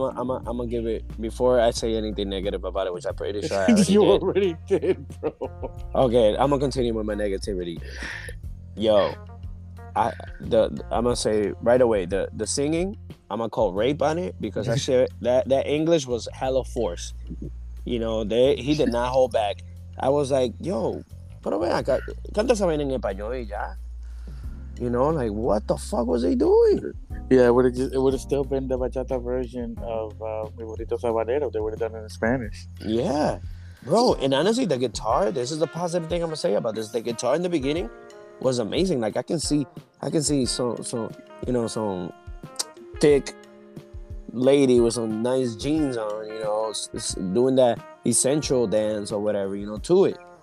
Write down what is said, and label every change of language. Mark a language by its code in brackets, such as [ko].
[en] I'm gonna give it before I say anything negative about it, which I'm pretty sure I already you did. Already did, bro. Okay, I'm gonna continue with my negativity. Yo, I'm gonna say right away the singing. I'm gonna call rape on it because that shit that English was hella forced. You know, he did not hold back. I was like, yo, [es] pero ven acá, canta esa vaina en español y ya. [en] You know, like, what the fuck was he doing? Yeah, it would have still been the bachata version of Mi Burrito Sabanero. They would have done it in Spanish. Yeah. Bro, and honestly, the guitar, this is the positive thing I'm going to say about this. The guitar in the beginning was amazing. Like, I can see some thick lady with some nice jeans on, you know, doing that essential dance or whatever, you know, to it.